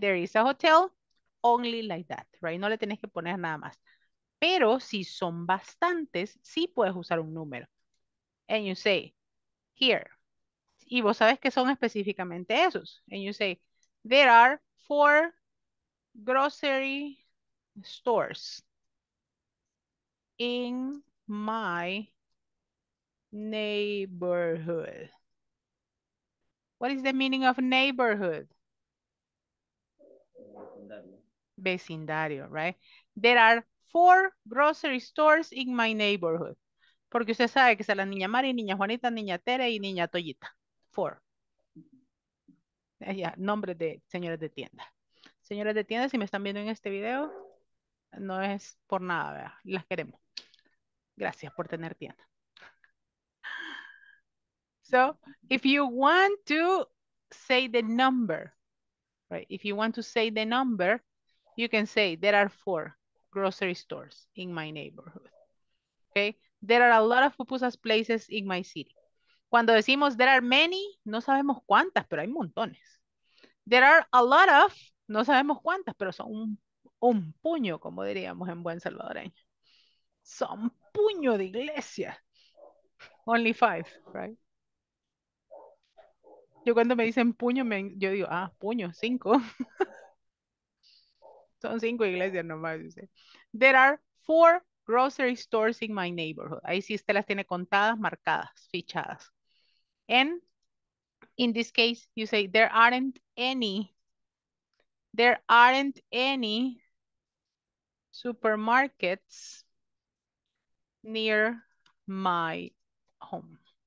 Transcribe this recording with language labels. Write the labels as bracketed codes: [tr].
[en] There is a hotel, only like that, right? [es] No le tenés que poner nada más. Pero si son bastantes, sí puedes usar un número. [en] And you say, here. [es] Y vos sabes que son específicamente esos. [en] And you say, there are four grocery stores in my neighborhood. What is the meaning of neighborhood? [es] Vecindario. Vecindario, [en] right? There are four grocery stores in my neighborhood. [es] Porque usted sabe que es la niña Mari, niña Juanita, niña Tere y niña Toyita. [en] Four. [es] Yeah, nombres de señoras de tienda. Señoras de tienda, si me están viendo en este video, no es por nada, ¿verdad? Las queremos. Gracias por tener tienda. [en] So, if you want to say the number, right? If you want to say the number, you can say, there are four grocery stores in my neighborhood. Okay? There are a lot of pupusas places in my city. [es] Cuando decimos, [en] there are many, [es] no sabemos cuántas, pero hay montones. [en] There are a lot of, [es] no sabemos cuántas, pero son un puño, como diríamos en buen salvadoreño. Son puño de iglesia. [en] Only five, right? [es] Yo cuando me dicen puño, yo digo, ah, puño, cinco. Son cinco iglesias nomás. Dice. [en] There are four grocery stores in my neighborhood. [es] Ahí sí usted las tiene contadas, marcadas, fichadas. [en] And in this case, you say, there aren't any supermarkets near my home.